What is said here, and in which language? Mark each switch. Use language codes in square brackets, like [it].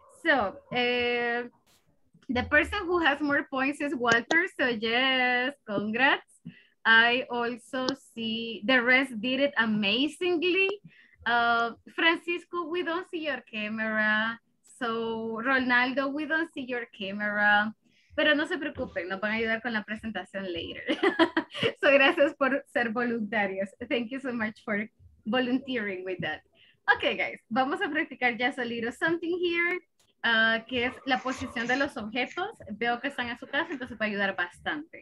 [en] So the person who has more points is Walter. So yes, congrats. I also see the rest did it amazingly. Francisco, we don't see your camera. So, Ronaldo, we don't see your camera. [es] Pero no se preocupen, nos van a ayudar con la presentación [en] later. [es] So, gracias por ser voluntarios. [en] Thank you so much for volunteering with that. [es] Okay, guys, vamos a practicar [en] just a little something here, [es] que es la posición de los objetos. Veo que están en su casa, entonces va a ayudar bastante.